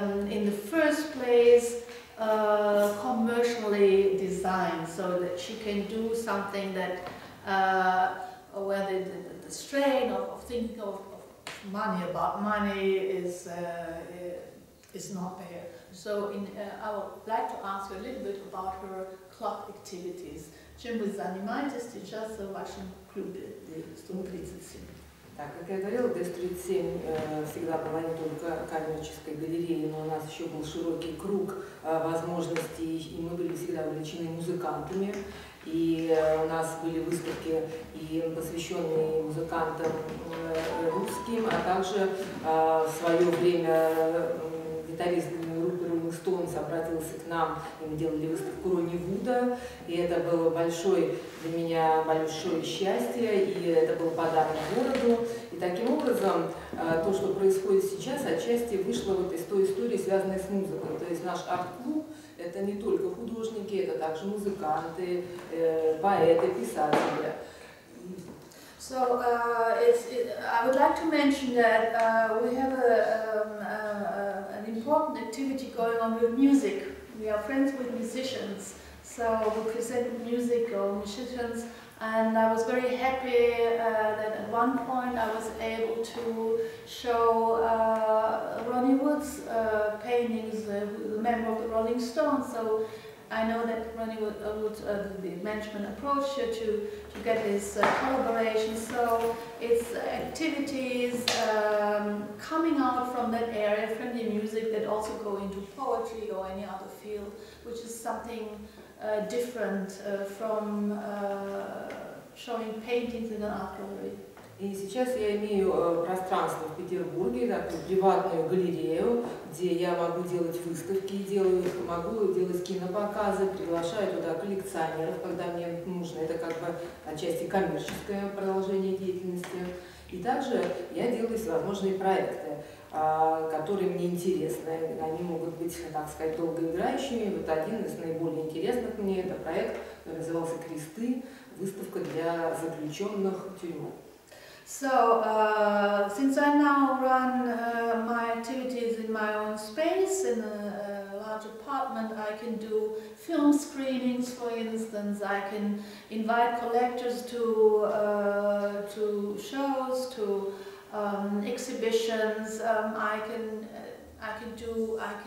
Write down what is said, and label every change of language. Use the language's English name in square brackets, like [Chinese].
[English] in the first place commercially designed, so that she can do something that whether the strain of thinking of money about money is not there. So in I would like to ask you a little bit about her club activities. [Russian] Чем вы занимаетесь сейчас в вашем клубе 137? Так, как я говорила, 137 всегда была не только коммерческой галереей, но у нас еще был широкий круг возможностей, и мы были всегда увлечены музыкантами. И у нас были выставки, и посвященные музыкантам русским, а также в свое время гитарист группы Rolling Stones обратился к нам, и мы делали выставку Ронни Вуда. И это было большое для меня большое счастье, и это был подарок городу. И таким образом, то, что происходит сейчас, отчасти вышло вот из той истории, связанной с музыкой. То есть наш арт-клуб. Это не только художники, это также музыканты, поэты, писатели. [English] So I would like to mention that we have an important activity going on with music. We are friends with musicians, so we present music or musicians. And I was very happy that at one point I was able to show Ronnie Wood's paintings, the member of the Rolling Stones. So I know that Ronnie Wood, the management approached her to get this collaboration. So it's activities coming out from that area, from the music, that also go into poetry or any other field, which is something different from showing paintings in an art gallery. [Russian] И сейчас я имею пространство в Петербурге, такую приватную галерею, где я могу делать выставки, делаю их, могу делать кинопоказы, приглашаю туда коллекционеров, когда мне нужно. Это как бы отчасти коммерческое продолжение деятельности. И также я делаю всевозможные проекты, которые мне интересны. Они могут быть, так сказать, долгоиграющими. Вот один из наиболее интересных мне – это проект, который назывался «Кресты», выставка для заключенных в тюрьму. [English] So, since I now run my activities in my own space, in a large apartment, I can do film screenings, for instance, I can invite collectors to shows, to exhibitions, I can do